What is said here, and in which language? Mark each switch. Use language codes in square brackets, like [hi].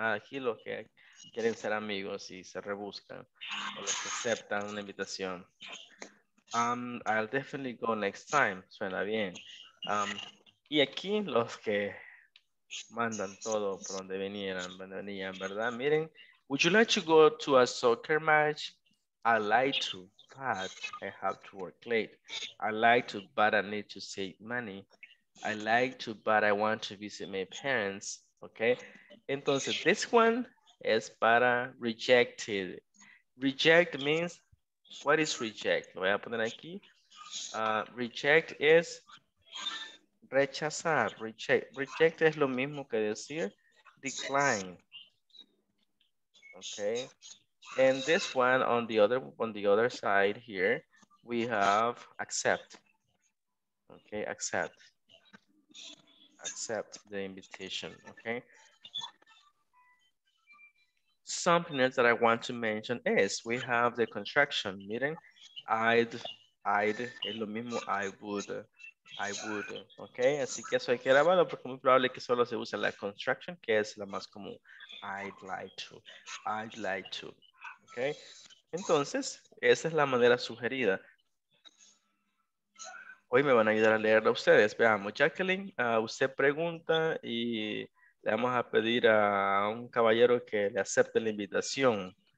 [es] Aquí los que quieren ser amigos y se rebuscan, o los que aceptan una invitación. [en] I'll definitely go next time. [es] Suena bien. Y aquí los que mandan todo por donde vinieran, ¿verdad? Miren, [en] would you like to go to a soccer match? I'd like to, but I have to work late. I'd like to, but I need to save money. I'd like to, but I want to visit my parents. [es] Okay. Entonces, [en] this one [es] es para rejected. [en] Reject means, what is reject? [es] Lo voy a poner aquí. [en] Reject is [es] rechazar. Reject es lo mismo que decir [en] decline. [es] Okay. [en] And this one on the other side here, we have accept. Okay, accept. Accept the invitation. Okay. Something else that I want to mention is we have the contraction, meaning I'd, [es] es lo mismo, [en] I would, okay? [es] Así que eso hay que grabarlo porque es muy probable que solo se use la contraction, que es la más común, [en] I'd like to, okay? [es] Entonces, esa es la manera sugerida. Hoy me van a ayudar a leerlo a ustedes. Veamos, Jacqueline, usted pregunta y le vamos a pedir a un caballero que le acepte la invitación.